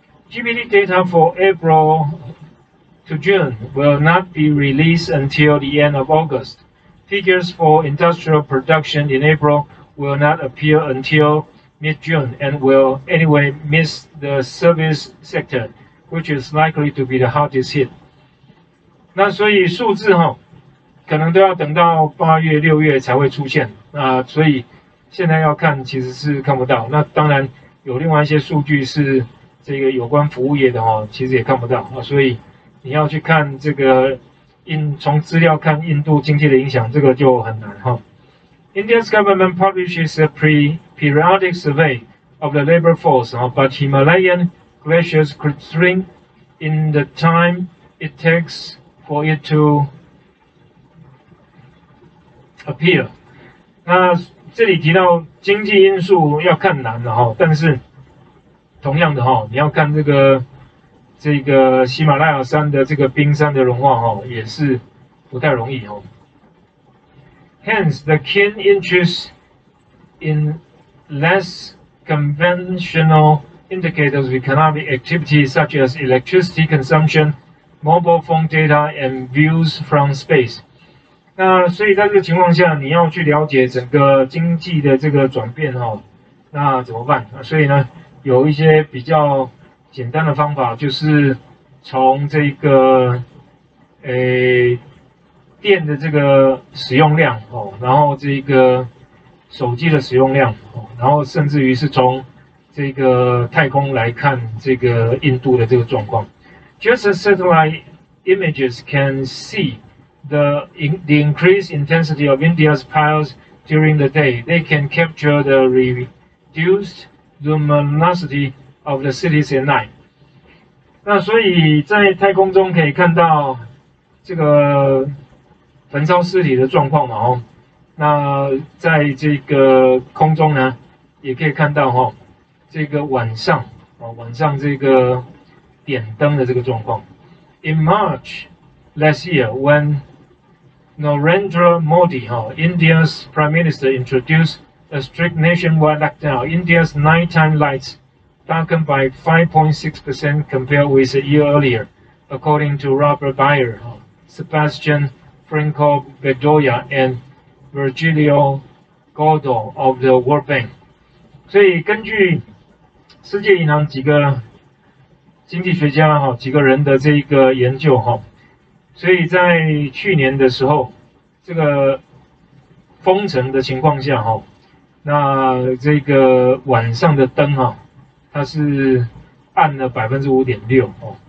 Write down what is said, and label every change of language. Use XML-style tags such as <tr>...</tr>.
<en>GDP data for April to June will not be released until the end of August. Figures for industrial production in April will not appear until mid-June and will anyway miss the service sector, which is likely to be the hardest hit.</en> <zh>那所以数字哈，可能都要等到八月、六月才会出现。那所以现在要看，其实是看不到。那当然有另外一些数据是。这个有关服务业的哈，其实也看不到啊，所以你要去看这个从资料看印度经济的影响，这个就很难哈。</zh> <en>India's government publishes a periodic survey of the labor force, but Himalayan glaciers could shrink in the time it takes for it to appear.</en> <zh>那这里提到经济因素要看难的哈，但是。同样的哈，你要看这个喜马拉雅山的这个冰山的融化哈，也是不太容易哦。</zh> <en>Hence, the keen interest in less conventional indicators of economic activity, such as electricity consumption, mobile phone data, and views from space.</en> <zh>那所以在这个情况下，你要去了解整个经济的这个转变哈，那怎么办？所以呢？有一些比较简单的方法，就是从这个电的这个使用量、哦、然后这个手机的使用量、哦、然后甚至于是从这个太空来看这个印度的这个状况。</zh> <en>Just as satellite images can see the increased intensity of India's piles during the day, they can capture the reduced. Luminosity of the cities at night.</en> <zh>那所以在太空中可以看到这个焚烧尸体的状况嘛、哦、那在这个空中呢也可以看到、哦、这个晚上这个点灯的这个状况。</zh> <en>In March last year, when Narendra Modi,、哦、India's Prime Minister introduced a strict nationwide lockdown, India's nighttime lights darkened by 5.6% compared with a year earlier, according to Robert Beyer, Sebastian Franco Bedoya, and Virgilio Gordo of the World Bank.</en> <zh>所以根据世界银行几个经济学家几个人的这个研究，所以在去年的时候这个封城的情况下，那这个晚上的灯它是暗了 5.6%。</zh>